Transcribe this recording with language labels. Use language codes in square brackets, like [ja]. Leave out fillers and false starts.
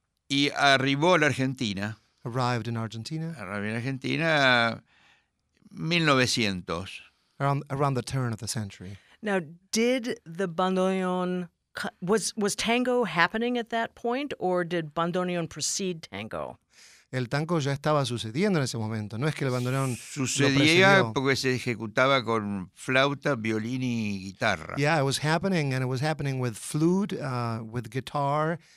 [es] Y arribó a la Argentina. [en] Arrived in Argentina. Arrived in Argentina 1900. Around the turn of the century. Now, did the bandoneon, was tango happening at that point or did bandoneon precede tango? [es] El tango ya estaba sucediendo en ese momento, no es que el bandoneón sucedía lo precedió. Porque se ejecutaba con flauta, violín y guitarra. [en] Yeah, it was happening and it was happening with flute, with guitar